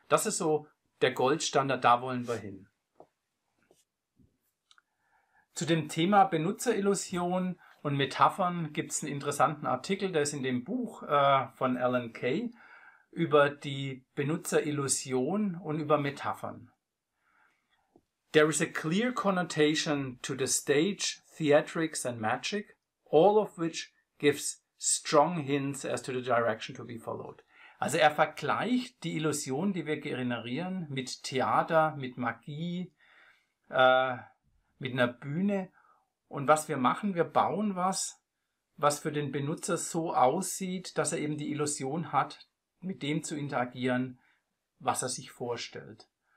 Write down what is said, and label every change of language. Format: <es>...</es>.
<de>Das ist so der Goldstandard, da wollen wir hin. Zu dem Thema Benutzerillusion und Metaphern gibt es einen interessanten Artikel, der ist in dem Buch von Alan Kay über die Benutzerillusion und über Metaphern.</de> <en>There is a clear connotation to the stage, theatrics and magic, all of which gives strong hints as to the direction to be followed.</en> <de>Also er vergleicht die Illusion, die wir generieren, mit Theater, mit Magie, mit einer Bühne. Und was wir machen, wir bauen was, was für den Benutzer so aussieht, dass er eben die Illusion hat, mit dem zu interagieren, was er sich vorstellt.</de>